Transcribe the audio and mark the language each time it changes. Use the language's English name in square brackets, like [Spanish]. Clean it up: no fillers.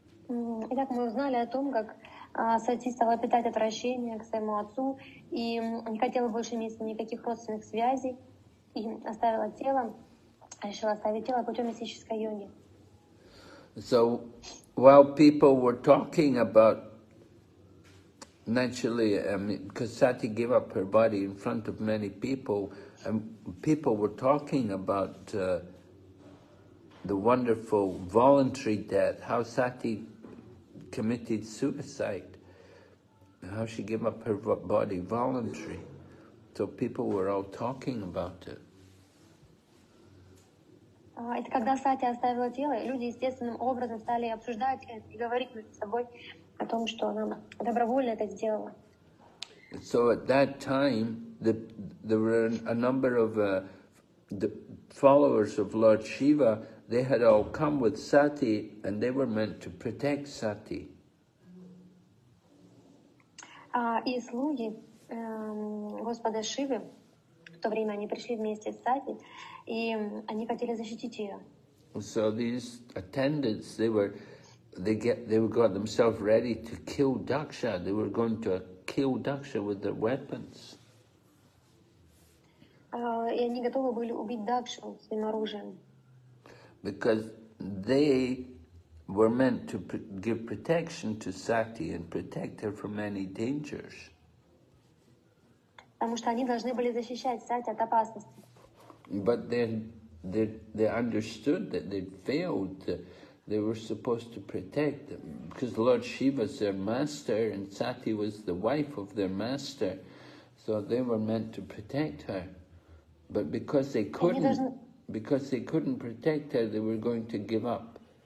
[Russian] Итак, мы узнали о том, как Сати стала питать отвращение к своему отцу и не хотела больше иметь никаких родственных связей и оставила тело, решила оставить тело путем мистической йоги. [English] So, while people were talking about, naturally, I mean, because Sati gave up her body in front of many people, and people were talking about the wonderful voluntary death, how Sati committed suicide, how she gave up her body voluntary. So people were all talking about it. [Russian] Это когда Сати оставила тело, люди естественным образом стали обсуждать это и говорить между собой о том, что она добровольно это сделала. [English] So at that time, there were a number of the followers of Lord Shiva. They had all come with Sati, and they were meant to protect Sati. [Russian] И слуги Господа Шивы в то время они пришли вместе с Сати. И они хотели защитить ее. [English] So these attendants, they got themselves ready to kill Daksha. They were going to kill Daksha with their weapons. [Russian] И они готовы были убить Дакшу своим оружием. [English] Because they were meant to give protection to Sati and protect her from any dangers. [Russian] Потому что они должны были защищать Сати от опасности. [English] But they understood that they failed. They were supposed to protect them because Lord Shiva is their master and Sati was the wife of their master. So they were meant to protect her. But because they couldn't, protect her, they were going to give up.